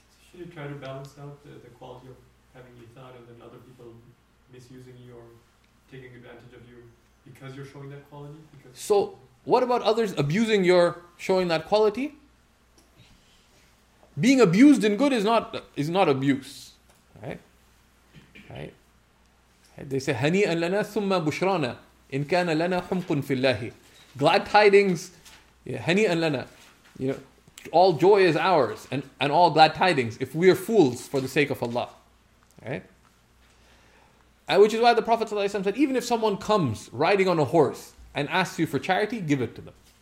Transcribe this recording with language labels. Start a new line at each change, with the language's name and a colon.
English: Should you try to balance out the quality of having your thought and then other people misusing you or taking advantage of you? Because you're showing that quality? Because so, what about others abusing your showing that quality? Being abused in good is not abuse. Right? They say,
Arabic: هَنِيًا لَنَا ثُمَّ بُشْرَانَا إِن كَانَ لَنَا حُمْقٌ فِي اللَّهِ.
English: Glad tidings,
Arabic: هَنِيًا لَنَا.
English: You know, all joy is ours and all glad tidings if we are fools for the sake of Allah. Right? Which is why the Prophet ﷺ said, even if someone comes riding on a horse and asks you for charity, give it to them.